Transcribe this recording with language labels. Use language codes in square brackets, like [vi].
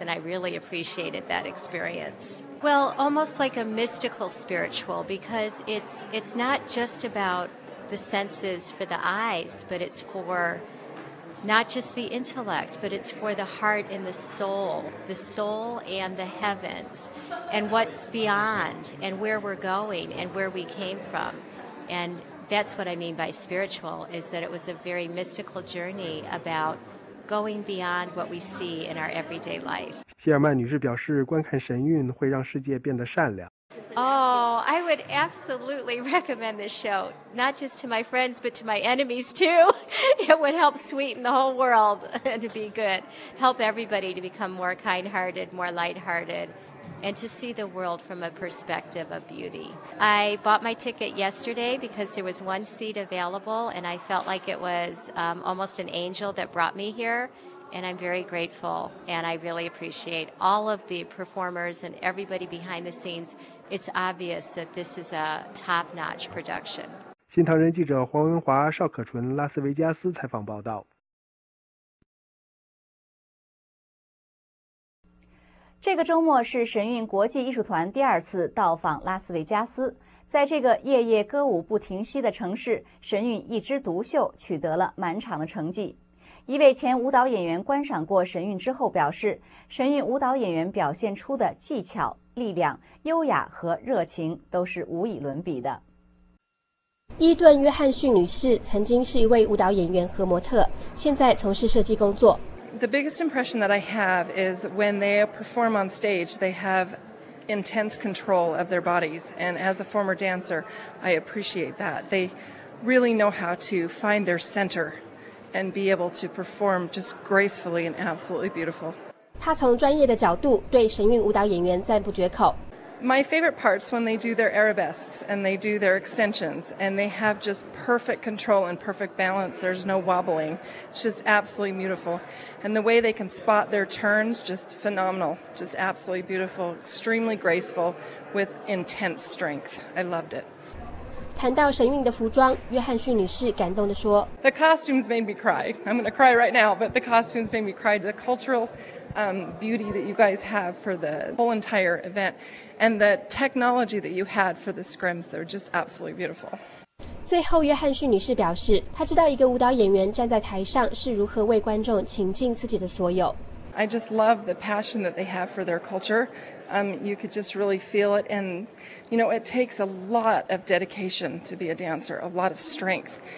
[en] And I really appreciated that experience. Well, almost like a mystical spiritual, because it's not just about the senses for the eyes, but it's for not just the intellect, but it's for the heart and the soul and the heavens, and what's beyond, and where we're going, and where we came from. And that's what I mean by spiritual, is that it was a very mystical journey about going beyond what we see in our everyday life. [zh] 希尔曼女士表示，观看神韵会让世界变得善良。 [en] Oh, I would absolutely recommend this show, not just to my friends, but to my enemies too. It would help sweeten the whole world and be good. Help everybody to become more kind-hearted, more light-hearted, and to see the world from a perspective of beauty. I bought my ticket yesterday because there was one seat available, and I felt like it was almost an angel that brought me here. And I'm very grateful, and I really appreciate all of the performers and everybody behind the scenes. It's obvious that this is a top-notch production. [zh] 新唐人记者黄文华、邵可纯，拉斯维加斯采访报道。这个周末是神韵国际艺术团第二次到访拉斯维加斯，在这个夜夜歌舞不停息的城市，神韵一枝独秀，取得了满场的成绩。一位前舞蹈演员观赏过神韵之后表示，神韵舞蹈演员表现出的技巧、力量、优雅和热情都是无以伦比的。伊顿·约翰逊女士曾经是一位舞蹈演员和模特，现在从事设计工作。 [en] The biggest impression that I have is when they perform on stage, they have intense control of their bodies. And as a former dancer, I appreciate that. They really know how to find their center. And be able to perform just gracefully and absolutely beautiful. [zh] 他从专业的角度对神韵舞蹈演员赞不绝口。 [en] My favorite part's when they do their arabesques and they do their extensions, and they have just perfect control and perfect balance. There's no wobbling. It's just absolutely beautiful. And the way they can spot their turns, just phenomenal. Just absolutely beautiful, extremely graceful with intense strength. I loved it. [zh] 谈到神韵的服装，约翰逊女士感动地说 [en] The costumes made me cry. I'm going to cry right now, but the costumes made me cry. The cultural beauty that you guys have for the whole entire event and the technology that you had for the scrims, they're just absolutely beautiful. [zh] 最后约翰逊女士表示，她知道一个舞蹈演员站在台上是如何为观众倾尽自己的所有。 [en] I just love the passion that they have for their culture. You could just really feel it. And, you know, it takes a lot of dedication to be a dancer, a lot of strength.